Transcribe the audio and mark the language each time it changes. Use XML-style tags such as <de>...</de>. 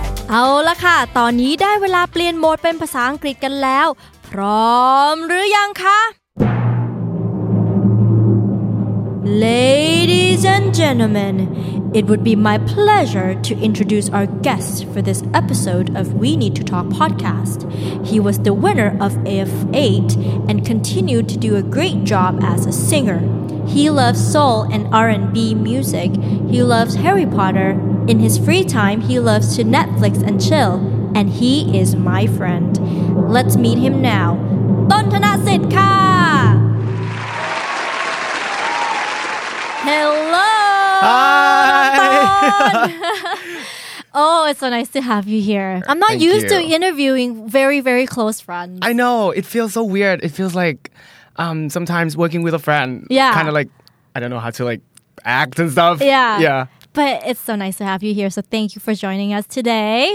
<th>เอาละค่ะตอนนี้ได้เวลาเปลี่ยนโหมดเป็นภาษาอังกฤษกันแล้วพร้อมหรือยังคะ</th> <en>Ladies and gentlemen, it would be my pleasure to introduce our guest for this episode of We Need to Talk podcast. He was the winner of AF8 and continued to do a great job as a singer. He loves soul and R&B music. He loves Harry Potter. In his free time, he loves to Netflix and chill. And he is my friend. Let's meet him now. ต้นธนสิทธิ์ค่ะ Hello! Hi! Oh, it's so nice to have you here. I'm not used to interviewing very, very close friends. I know. It feels so weird. It feels like sometimes working with a friend. Yeah. Kind of like, I don't know how to like act and stuff. Yeah. Yeah. But it's so nice to have you here. So thank you for joining us today.</en>